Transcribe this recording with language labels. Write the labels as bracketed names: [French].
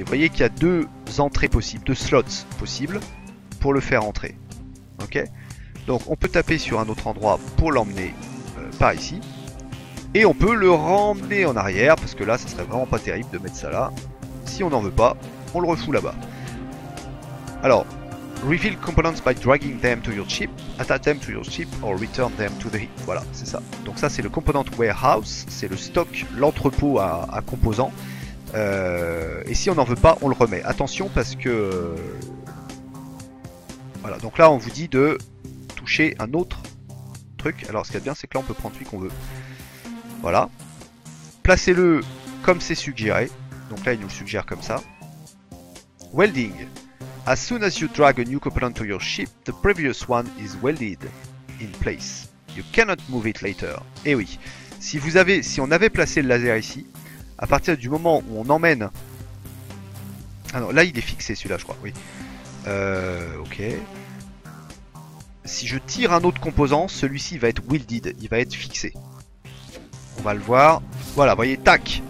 [French] Vous voyez qu'il y a deux entrées possibles, deux slots possibles pour le faire entrer. Ok. Donc on peut taper sur un autre endroit pour l'emmener par ici. Et on peut le ramener en arrière parce que là, ça serait vraiment pas terrible de mettre ça là. Si on n'en veut pas, on le refout là-bas. [English] Alors, reveal components by dragging them to your ship, attach them to your ship or return them to the heap. [French] Voilà, c'est ça. Donc ça, c'est le component warehouse, c'est le stock, l'entrepôt à composants. Et si on n'en veut pas, on le remet. Attention parce que... Voilà, donc là, on vous dit de toucher un autre truc. Alors, ce qu'il y a de bien, c'est que là, on peut prendre celui qu'on veut. Voilà. Placez-le comme c'est suggéré. Donc là, il nous le suggère comme ça. [English] Welding. As soon as you drag a new component to your ship, the previous one is welded in place. You cannot move it later. [French] Eh oui. Si on avait placé le laser ici, à partir du moment où on emmène... Ah non, là il est fixé celui-là, je crois, oui. Ok. Si je tire un autre composant, celui-ci va être welded, il va être fixé. On va le voir. Voilà, vous voyez, tac.